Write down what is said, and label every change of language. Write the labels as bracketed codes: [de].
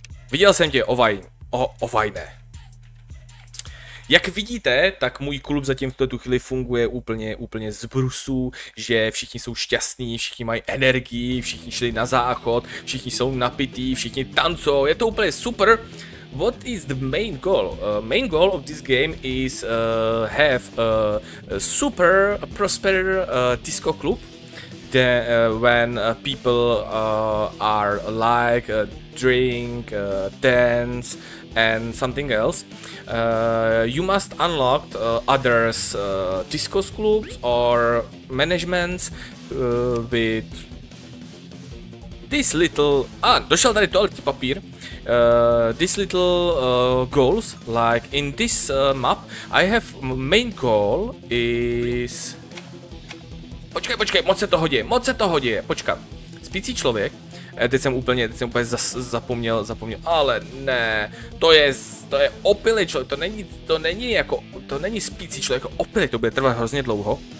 [cs] Viděl jsem tě, ovajne. Jak vidíte, tak můj klub zatím v této chvíli funguje úplně z brusu, že všichni jsou šťastní, všichni mají energii, všichni šli na záchod, všichni jsou napití, všichni tancou, je to úplně super. [en] What is the main goal? Main goal of this game is have a super prosper disco club. Then when people are like drink, dance and something else, you must unlock others disco clubs or managements with this little. [cs] Ah, došel tady toaletní papír. [en] This little goals, like in this map, I have main goal is... [cs] Počkej, moc se to hoděje, počkat. Spící člověk, teď jsem úplně zapomněl, ale ne, to je opilý člověk, to není jako, to není spící člověk, jako opilý, to bude trvat hrozně dlouho.